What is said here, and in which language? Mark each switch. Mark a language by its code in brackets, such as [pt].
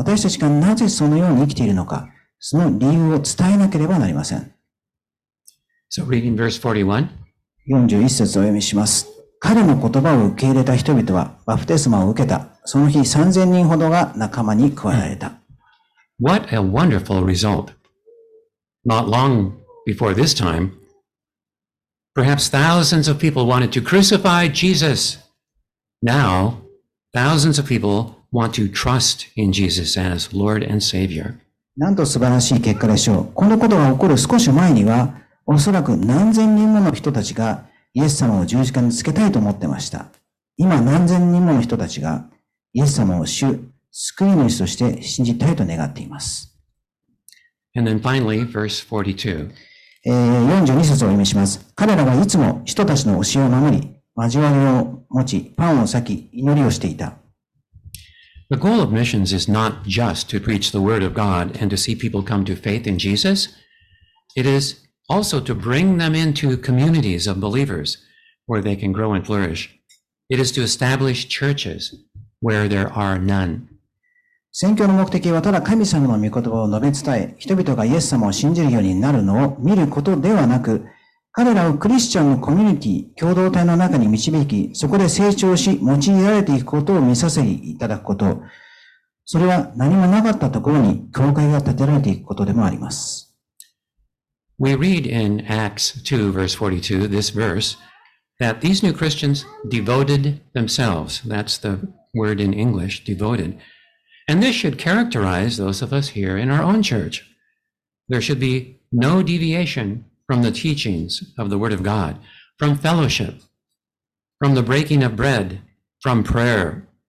[ja] 私たちがなぜそのように生きているのか、その理由を伝えなければなりません。 [en] So reading verse 41. [ja] 41節をお読みします。彼の言葉を受け入れた人々はバプテスマを受けた。その日3000人ほどが仲間に加えられた。 [en] What a wonderful result! Not long before this time,Perhaps thousands of people wanted to crucify Jesus. Now, thousands of people want to trust in Jesus as Lord and Savior. [ja] なんと素晴らしい結果でしょう。このことが起こる少し前には、おそらく何千人もの人たちがイエス様を十字架につけたいと思ってました。今何千人もの人たちがイエス様を主、救い主として信じたいと願っています。 [en] And then finally, verse 42. [ja] 42節を読みします。彼らはいつも人たちの教えを守り、交わりを持ち、パンを裂き、祈りをしていた。 [en] The goal of missions is not just to preach the word of God and to see people come to faith in Jesus. It is also to bring them into communities of believers where they can grow and flourish. It is to establish churches where there are none. [ja] 宣教の目的はただ神様の御言葉を述べ伝え、人々がイエス様を信じるようになるのを見ることではなく、彼らをクリスチャンのコミュニティ、共同体の中に導き、そこで成長し、用いられていくことを見させていただくこと。それは何もなかったところに教会が建てられていくことでもあります。 [en] We read in Acts 2 verse 42, this verse, that these new Christians devoted themselves. That's the word in English, devoted. And this should characterize those of us here in our own church. There should be no deviation from the teachings of the Word of God, from fellowship, from the breaking of bread, from prayer.